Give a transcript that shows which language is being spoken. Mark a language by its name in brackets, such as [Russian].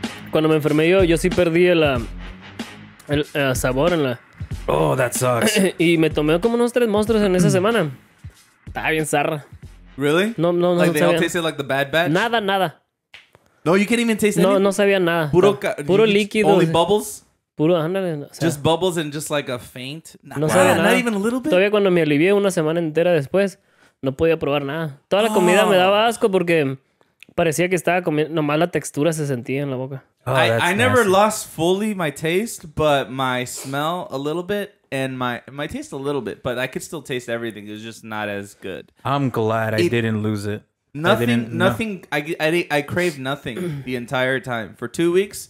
[Spanish] Cuando me enfermé yo sí perdí el sabor en la... [English] Oh, that sucks. [Spanish] Y me tomé como unos 3 monstruos en esa semana. Estaba bien zarra. [English] Really? [Spanish] No. [English] Like, they all tasted like the Bad Batch? [Spanish] Nada. [English] No, you can't even taste anything? [Spanish] No sabía nada. Puro líquido. [English] Only bubbles? [Spanish] Puro, ándale, o sea, [English] just bubbles and just like a faint. [Spanish] No, nada. [English] Not even a little bit. [Spanish] Todavía cuando me alivié una semana entera después, no podía probar nada. Toda la comida me daba asco porque parecía que estaba comiendo. Nomás la textura se sentía en la boca. [English] Oh, I never lost fully my taste, but my smell a little bit and my taste a little bit, but I could still taste everything. It was just not as good. I'm glad I didn't lose it. Nothing. I craved nothing the entire time for 2 weeks.